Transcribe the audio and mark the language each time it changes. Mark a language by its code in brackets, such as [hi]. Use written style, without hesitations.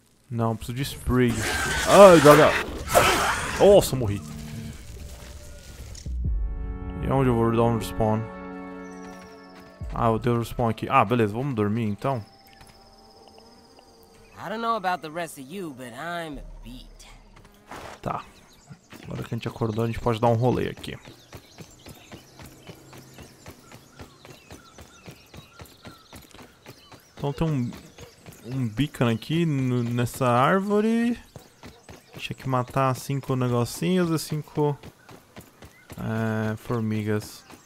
[pt] Não, preciso de Sprig. Ai, droga! Nossa, morri! E onde eu vou dar um respawn? Ah, eu tenho um respawn aqui. Ah, beleza, vamos dormir então. [en] I don't know about the rest of you, but I'm beat. [pt] Tá. Agora que a gente acordou, a gente pode dar um rolê aqui. Então tem um beacon aqui nessa árvore. Tinha que matar 5 negocinhos e 5 formigas.